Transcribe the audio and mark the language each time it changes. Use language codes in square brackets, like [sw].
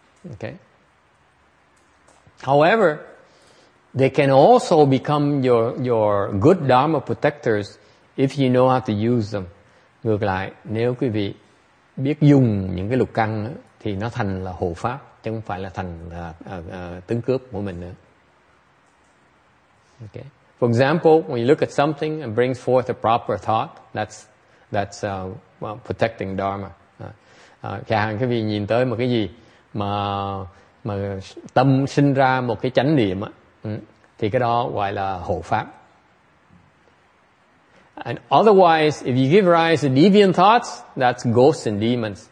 [en] Okay. However, they can also become your good dharma protectors if you know how to use them. [vi] Ngược lại, nếu quý vị biết dùng những cái lục căn thì nó thành là hộ pháp chứ không phải là thành là tấn cướp của mình nữa. [en] Okay. For example, when you look at something and brings forth a proper thought, that's protecting dharma. [vi] Khi hàng quý vị nhìn tới một cái gì mà tâm sinh ra một cái chánh niệm á, thì cái đó gọi là hộ pháp. [en] And otherwise, if you give rise to deviant thoughts, that's ghosts and demons.